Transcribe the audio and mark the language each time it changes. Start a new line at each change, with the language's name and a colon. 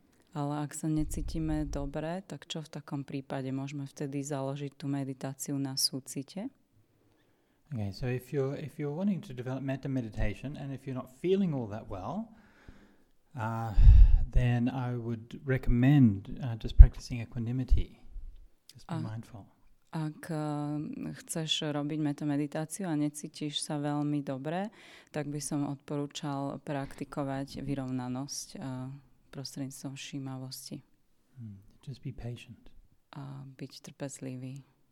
Slovak: Ale ak sa necítime dobre, tak čo v takom prípade môžeme vtedy založiť tú meditáciu na súcite?
English: Okay, so if you're wanting to develop metta meditation and if you're not feeling all that well, then I would recommend just practicing equanimity, just be mindful.
Slovak: Ak chceš robiť metta meditáciu a necítiš sa veľmi dobre, tak by som odporúčal praktikovať vyrovnanosť prostredníctvom všímavosti.
English: Just be patient.
Slovak: A byť trpezlivý.